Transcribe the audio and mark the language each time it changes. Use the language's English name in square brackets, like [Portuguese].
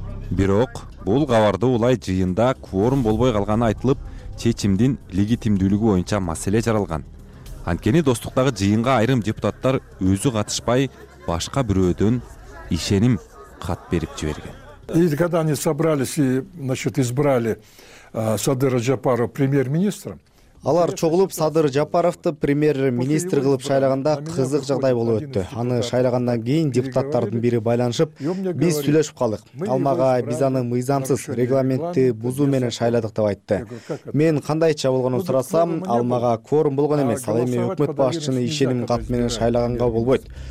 [Kyrgyz] Бирок бул кабарды улай жыйында кворум болбой калганы айтылып, чечимдин легитимдүүлүгү боюнча маселе жаралган. Анткени Достуктагы жыйынга айрым депутаттар өзү катышпай, башка бирөөдөн ишеним кат берип жиберген. [Russian] И когда они собрались и, значит, избрали Садыра Жапарова премьер-министром. [Kyrgyz] Алар чогулуп Садыр Жапаровду премьер-министр кылып шайлаганда кызык жагдай болуп өттү. Аны шайлагандан кийин депутаттардын бири байланышып, биз сүйлөшүп калдык. Ал мага биз аны мыйзамсыз регламентти бузуу менен шайладык деп айтты. Мен кандайча болгонун сурасам, ал мага кворум болгон эмес, ал эми өкмөт башчыны ишеним кат менен шайлаганга болбойт.